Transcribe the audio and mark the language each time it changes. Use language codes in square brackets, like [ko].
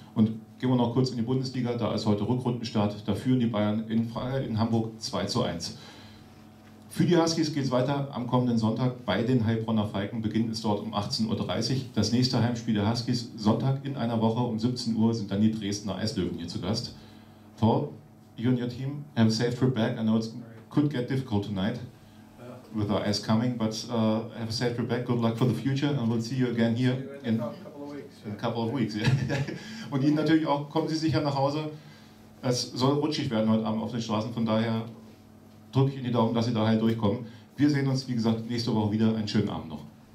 [de] Und gehen wir noch kurz in die Bundesliga, da ist heute Rückrundenstart. Da führen die Bayern in Hamburg 2:1. Für die Huskies geht es weiter am kommenden Sonntag bei den Heilbronner Falken. Beginn ist dort um 18.30 Uhr. Das nächste Heimspiel der Huskies Sonntag in einer Woche um 17 Uhr sind dann die Dresdner Eislöwen hier zu Gast. [en] Paul, you and your team have safe trip back. I know it could get difficult tonight with the ice coming, but have a safe trip back. Good luck for the future and we'll see you again here in a couple of weeks. Yeah. [de] Und Ihnen natürlich auch, kommen Sie sicher nach Hause. Es soll rutschig werden heute Abend auf den Straßen, von daher drücke ich in die Daumen, dass Sie da heil durchkommen. Wir sehen uns, wie gesagt, nächste Woche wieder. Einen schönen Abend noch.